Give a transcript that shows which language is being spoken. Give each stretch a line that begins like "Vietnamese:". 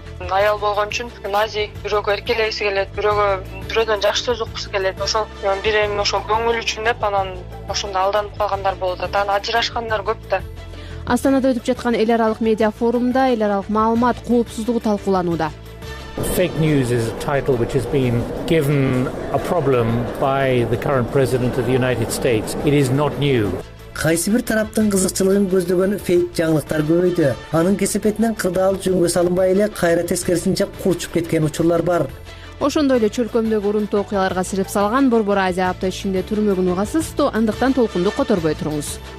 Kyrgyz: Аял болгон үчүн назик, бирөөгө эркелегиси келет, бирөөгө бирөөдөн жакшы сөз уккусу келет. Ошол бир эми ошол көңүл үчүн деп анан ошондо алданып калгандар болот, анан ажырашкандар көп да. Астанада өтүп жаткан эл аралык медиа форумда эл аралык маалымат коопсуздугу талкууланууда.
English: Fake news is a title which has been given a problem by the current president of the United States. It is not new.
Kyrgyz: Кайсы бир тараптын кызыкчылыгын көздөгөн фейк жаңылыктар көбөйдү. Анын кесепетинен кырдаал жөнгө салынбай эле кайра тескерисинче курчуп кеткен учурлар бар. Ошондой эле чөлкөмдөгү урунту окуяларга сирип салган Борбор Азия апта ичинде түрмөгүн угасыз, андыктан толкунду которбой туруңуз.